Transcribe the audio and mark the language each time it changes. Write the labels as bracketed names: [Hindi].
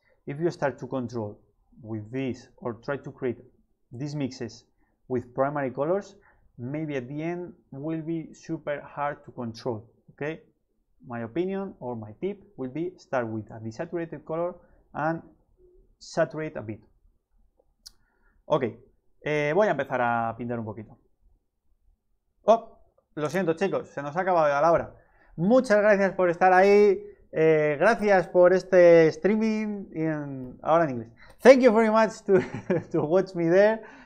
[English] If you start to control with this or try to create these mixes with primary colors, maybe at the end will be super hard to control, okay? My opinion or my tip will be start with a desaturated color and saturate a bit. [Spanish] Okay, voy a empezar a pintar un poquito. Oh, lo siento chicos, se nos ha acabado la hora. Muchas gracias por estar ahí. Gracias por este streaming in, ahora en inglés. [English] Thank you very much to watch me there.